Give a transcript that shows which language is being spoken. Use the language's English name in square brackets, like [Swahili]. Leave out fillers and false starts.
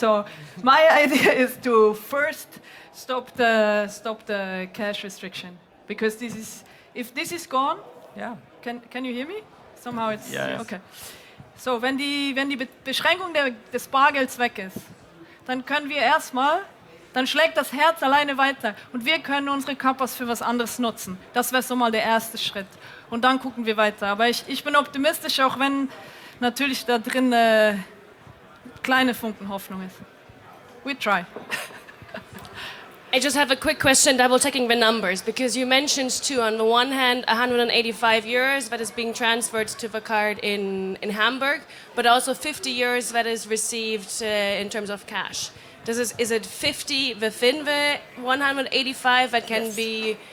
[English] So my idea is to first stop the cash restriction, because if this is gone, yeah. Can you hear me? Somehow it's yes. Okay. [German] So wenn die Beschränkung des Bargelds weg ist, dann schlägt das Herz alleine weiter und wir können unsere Körpers für was anderes nutzen. Das wäre so mal der erste Schritt. Und dann gucken wir weiter. Aber ich bin optimistisch, auch wenn natürlich da drin eine kleine Funken Hoffnung ist. [English] We try. I just have a quick question, double checking the numbers, because you mentioned too, on the one hand, 185 euros that is being transferred to the card in Hamburg, but also 50 euros that is received in terms of cash. Is it 50 within the 185 that can be...